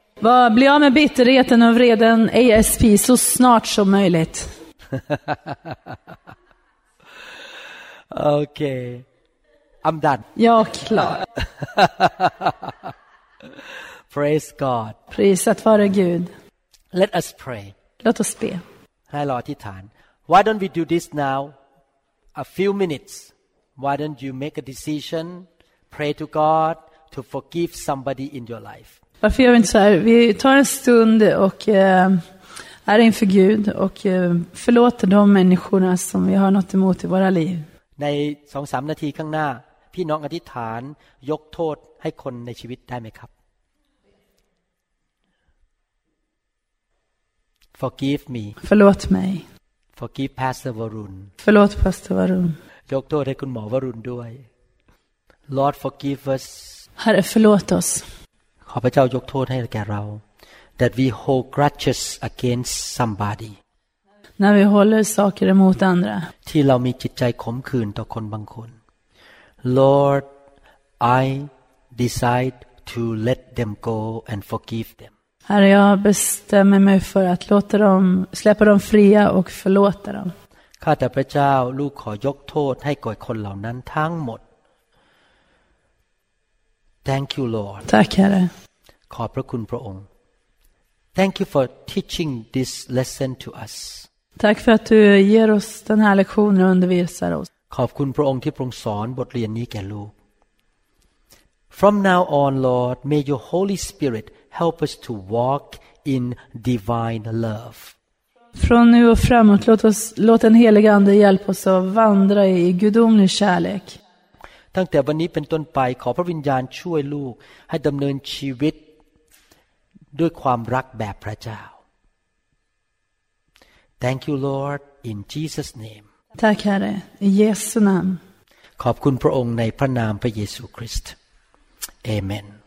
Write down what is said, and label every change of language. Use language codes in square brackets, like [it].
[sv] Var, bli av med bitterheten och vreden ASAP så snart som möjligt. [en] Okay, I'm done. [sv] Ja, klar. [en] Praise God. [sv] Prisat vare Gud. [en] Let us pray. [sv] Låt oss be. [th] ให้เราอธิษฐาน [en] Why don't we do this now? A few minutes. Why don't you make a decision? Pray to God to forgive somebody in your life. [sv] Varför gör vi inte så här? Vi tar en stund och är inför Gud och förlåter de människorna som vi har något emot i våra liv. [th] ใน 2-3 นาทีข้างหน้าพี่น้องอธิษฐานยกโทษให้คนในชีวิตได้ไหมครับ [en] Forgive me. [sv] Förlåt mig. [en] Forgive Pastor Varun. [sv] Förlåt Pastor Varun. [th] ยกโทษให้คุณหมอวรุณด้วย [en] Lord forgive us. [sv] Herre förlåt oss. [th] ขอพระเจ้ายกโทษให้แก่เรา [en] that we hold grudges against somebody. [sv] När vi håller saker emot andra. [th] ที่เรามีจิตใจขมขื่นต่อคนบางคน [en] Lord, I decide to let them go and forgive them. [sv] Herre, jag bestämmer mig för att låta dem släppa dem fria och förlåta dem. [th] ข้าแต่พระเจ้าลูกขอยกโทษให้กับคนเหล่านั้นทั้งหมด [en] Thank you, Lord. [sv] Tack, Herre. [th] ขอบพระคุณพระองค์ [en] Thank you for teaching this lesson to us. [sv] Tack för att du ger oss den här lektionen och undervisar oss. [th] ขอบคุณพระองค์ที่ทรงสอนบทเรียนนี้แก่ลูก [en] From now on, Lord, may your Holy Spirit help us to walk in divine love. [sv] Från nu och framåt, låt den helige ande hjälpa oss att vandra i gudomlig kärlek. [th] ตั้งแต่วันนี้เป็นต้นไปขอพระวิญญาณช่วยลูกให้ดำเนินชีวิตด้วยความรักแบบพระเจ้า [en] Thank you, Lord, in Jesus' name. [sv] Tack Herre, i Jesu namn. [th] ขอบคุณพระองค์ในพระนามพระเยซูคริสต์ Amen.